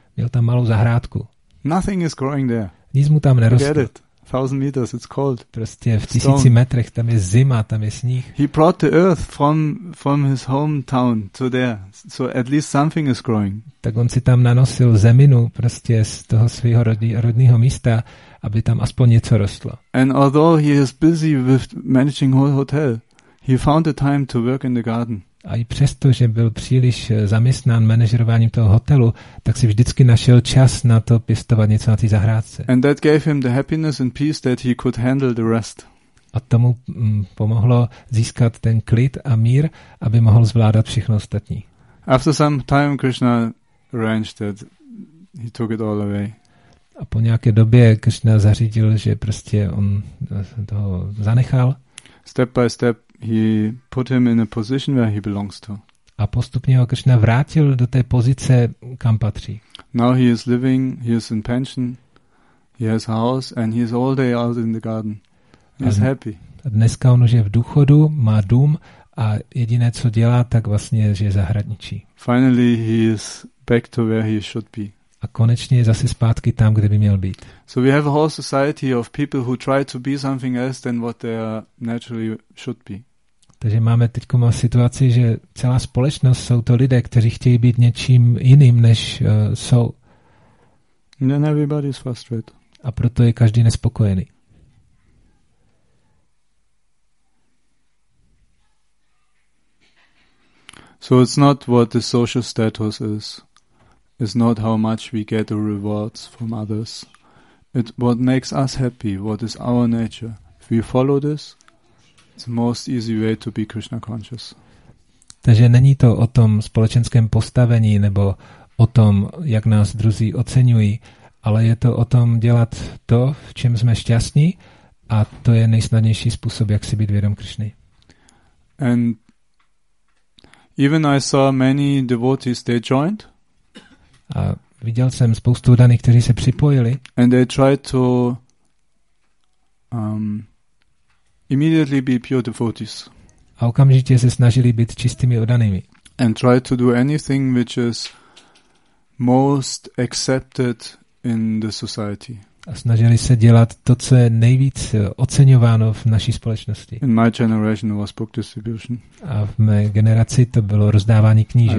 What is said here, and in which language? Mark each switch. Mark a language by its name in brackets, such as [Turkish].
[Czech] Měl tam malou zahrádku. [English] Nothing is growing there. [Czech] Nic mu tam nerostl. [English] Get it. 1,000 meters, it's cold. [Czech] Prostě v 1,000 metrech, tam je zima, tam je sníh. [English] He brought the earth from his hometown to there. So at least something is growing. [Czech] Tak on si tam nanosil zeminu prostě z toho svého rodného místa, aby tam aspoň něco rostlo. [English] And although he is busy with managing whole hotel, he found the time to work in the garden. [Czech] A i přesto, že byl příliš zaměstnán manažerováním toho hotelu, tak si vždycky našel čas na to pěstovat něco na té zahrádce. [English] And that gave him the happiness and peace that he could handle the rest. [Czech] A tomu pomohlo získat ten klid a mír, aby mohl zvládat všechno ostatní. [English] After some time Krishna arranged that he took it all away. [Czech] A po nějaké době Krishna zařídil, že prostě on toho zanechal. [English] Step by step he put him in a position where he belongs to. [Czech] A postupně ho Krishna vrátil do té pozice, kam patří. [English] Now he is living, he is in pension, he has a house and he is all day out in the garden. He is happy. [Czech] A dneska on už je v důchodu, má dům a jediné, co dělá, tak vlastně, že je zahradničí. [English] Finally he is back to where he should be. [Czech] A konečně je zase zpátky tam, kde by měl být. [English] So we have a whole society of people who try to be something else than what they naturally should be. [Czech] Takže máme teď situaci, že celá společnost jsou to lidé, kteří chtějí být něčím jiným, než jsou. [English] And then everybody is frustrated. [Czech] A proto je každý nespokojený. [English] So it's not what the social status is. It's not how much we get the rewards from others. It's what makes us happy, what is our nature. If we follow this, it's the most easy way to be Krishna conscious. [Czech] Takže není to o tom společenském postavení nebo o tom, jak nás druzí oceňují, ale je to o tom dělat to, v čem jsme šťastní, a to je nejsnadnější způsob, jak si být vědom Krishny. [English] And even I saw many devotees, they joined. [Czech] A viděl jsem spoustu daných, kteří se připojili. [English] And they tried to immediately be pure devotees. [Czech] A okamžitě se snažili být čistými oddanými. [English] And tried to do anything which is most accepted in the society. [Czech] a snažili se dělat to, co je nejvíc oceňováno v naší společnosti. [English] In my generation was book distribution. [Czech] A v mé generaci to bylo rozdávání knížek.